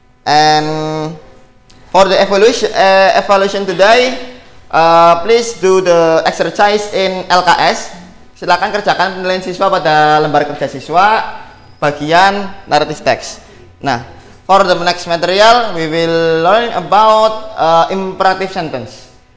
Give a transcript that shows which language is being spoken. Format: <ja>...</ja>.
<en>And for the evaluation today, please do the exercise in LKS.</en> <id>Silakan kerjakan penilaian siswa pada lembar kerja siswa bagian narrative text.</id> <en>Nah, for the next material, we will learn about imperative sentence.</en>